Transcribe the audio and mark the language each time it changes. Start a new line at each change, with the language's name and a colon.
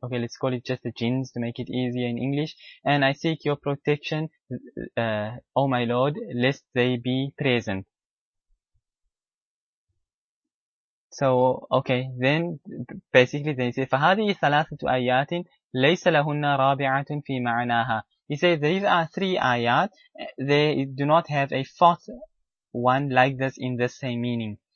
English: Okay, let's call it just the jinns to make it easier in English. And I seek your protection, oh my Lord, lest they be present. So okay, then basically they say,
Arabic: فهذه ثلاثة آيات ليس لهن رابعة في معناها.
English: He says these are three ayat, they do not have a fourth one like this in the same meaning.